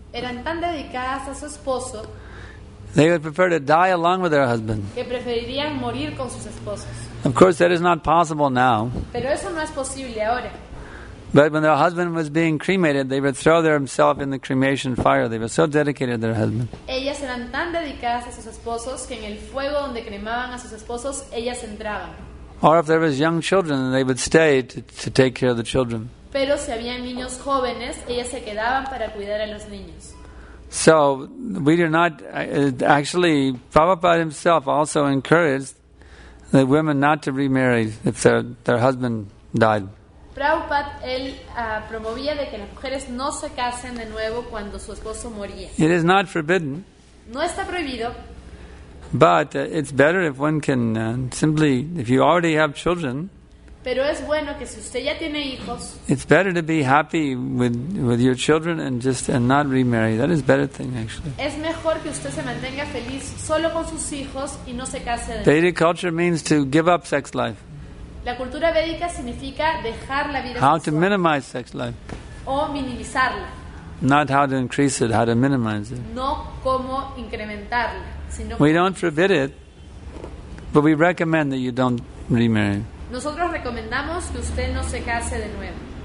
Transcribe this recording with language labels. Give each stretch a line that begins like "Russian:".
Spanish: Eran tan dedicadas a su esposo.
English: They would prefer to die along with their husband.
Spanish: Que preferirían morir con sus esposos.
English: Of course, that is not possible now.
Spanish: Pero eso no es posible ahora.
English: But when their husband was being cremated, they would throw themselves in the cremation fire. They were so dedicated to their husband.
Spanish: Ellas eran tan dedicadas a sus esposos que en el fuego donde cremaban a sus esposos ellas entraban.
English: Or if there was young children, they would stay to take care of the children.
Spanish: Pero si había niños jóvenes, ellas se quedaban para cuidar a los niños.
English: So we do not actually. Prabhupada himself also encouraged the women not to remarry if their husband died.
Spanish: Prabhupada promovía de que las mujeres no se casen de nuevo cuando su esposo moría.
English: It is not forbidden.
Spanish: No está prohibido.
English: But it's better if one can simply, if you already have children,
Spanish: pero es bueno que si usted ya tiene hijos,
English: it's better to be happy with your children and not remarry. That is a better thing, actually.
Spanish: Es mejor que usted se mantenga feliz solo con sus hijos y no se case.
English: Vedic culture means to give up sex life.
Spanish: La cultura védica significa dejar la vida.
English: How
Spanish: sexual.
English: To minimize sex life.
Spanish: O minimizarla.
English: Not how to increase it, how to minimize it.
Spanish: No cómo incrementarla.
English: We don't forbid it, but we recommend that you don't remarry.
Spanish: Nosotros recomendamos que usted no se case de nuevo.